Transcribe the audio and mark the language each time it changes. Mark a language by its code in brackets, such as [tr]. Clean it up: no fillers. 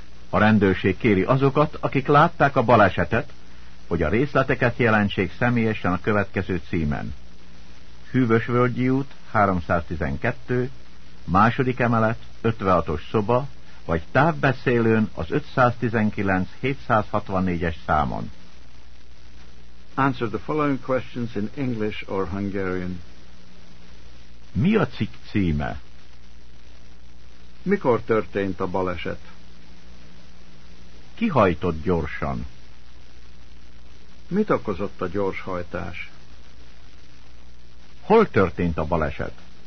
[hu] A rendőrség kéri azokat, akik látták a balesetet, hogy a részleteket jelentsék személyesen a következő címen. Hűvösvölgyi út, 312, második emelet, 56-os szoba, vagy távbeszélőn az 519-764-es számon. [en] Answer the following questions in English or Hungarian. [hu] Mi a cikk címe? Mikor történt a baleset? Ki hajtott gyorsan? Mit okozott a gyors hajtás? Hol történt a baleset?